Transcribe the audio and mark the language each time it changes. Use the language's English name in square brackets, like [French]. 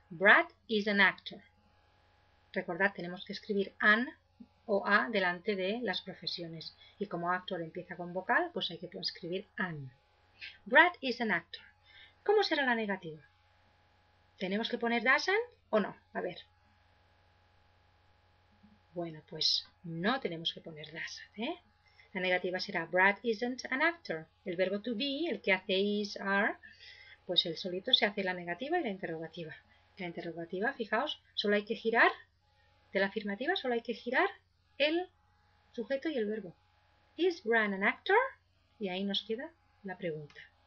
[English] Brad is an actor. [Spanish] Recordad, tenemos que escribir an o a delante de las profesiones. Y como actor empieza con vocal, pues hay que escribir an. [English] Brad is an actor. [Spanish] ¿Cómo será la negativa? ¿Tenemos que poner doesn't o no? A ver. Bueno, pues no tenemos que poner doesn't, ¿eh? La negativa será [English] Brad isn't an actor. [Spanish] El verbo to be, el que hace is, are, pues él solito se hace la negativa y la interrogativa. La interrogativa, fijaos, solo hay que girar, de la afirmativa, solo hay que girar el sujeto y el verbo. [English] ¿Is Brad an actor? [Spanish] Y ahí nos queda la pregunta.